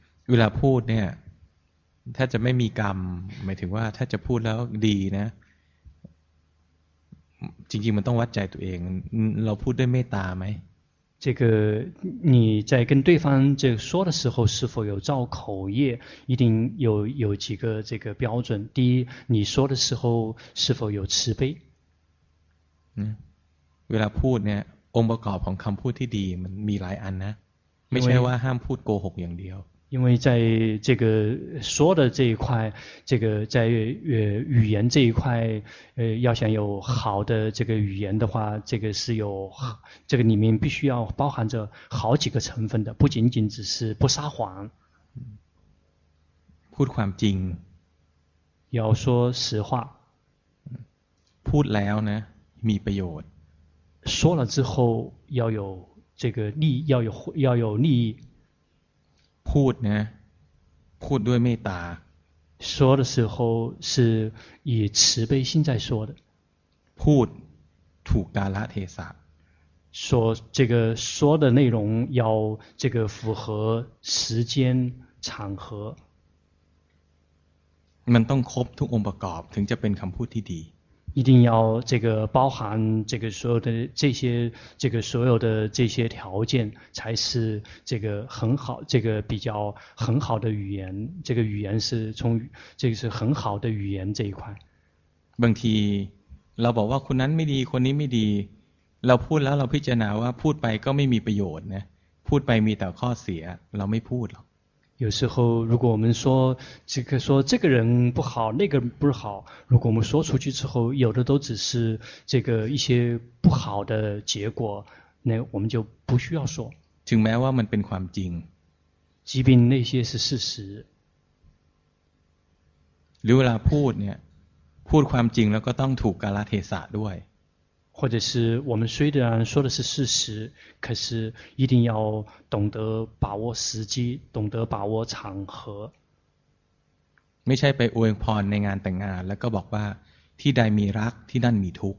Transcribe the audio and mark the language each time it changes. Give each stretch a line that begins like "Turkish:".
Thai: เวลาพูดเนี่ยถ้าจะไม่มีกรรมหมายถึงว่าถ้าจะพูดแล้วดีนะจริงๆมันต้องวัดใจตัวเองเราพูดด้วยเมตตาไ
Chinese: หม这个你在跟对方这说的时候是否有造口业一定有几个这个标准第一你说的时候是否有慈悲
Thai: เวลาพูดเนี่ยองค์ประกอบของคำพูดที่ดีมันมีหลายอันนะไม่ใช่ว่าห้ามพูดโกหกอย่างเดียว
Chinese: 因为在这个说的这一块这个在语言这一块要想有好的这个语言的话这个是有这个里面必须要包含着好几个成分的不仅仅只是不撒谎
Thai: พูดความจริง
Chinese: 要说实话
Thai: พูดแล้วนะมีประโยชน์
Chinese: 说了之后要有这个利要有利益
Thai: พูดนะพูดด้วยเมตตา
Chinese: 说的时候是以慈悲心在说的
Thai: พูดถูกกาลเทศะ
Chinese: 说这个说的内容要这个符合时间场合
Thai: มันต้องครบทุกองค์ประกอบถึงจะเป็นคำพูดที่ดี
Chinese: 一定要这个包含这个所有的这些这个所有的这些条件才是这个很好这个比较很好的语言这个语言是从这个是很好的语言这一块
Thai: บางทีเราบอกว่าคนนั้นไม่ดีคนนี้ไม่ดีเราพูดแล้วเราพิจารณาว่าพูดไปก็ไม่มีประโยชน์นะพูดไปมีแต่ข้อเสียเราไม่พูดหรอก
Chinese: 有时候如果我们说这个说这个人不好那个人不好如果我们说出去之后有的都只是这个一些不好的结果那我们就不需要说
Thai: ถึงแม้ว่ามันเป็นความจริง
Chinese: 即便那些是事实
Thai: หรือเวลาพูดเนี่ยพูดความจริงแล้วก็ต้องถูกกาลเทศะด้วย
Chinese: 或者是我们虽然说的是事实可是一定要懂得把握时机懂得把握场合
Thai: ไม่ใช่ไปอวยพรในงานแต่งงานแล้วก็บอกว่าที่ใดมีรักที่นั่นมีทุกข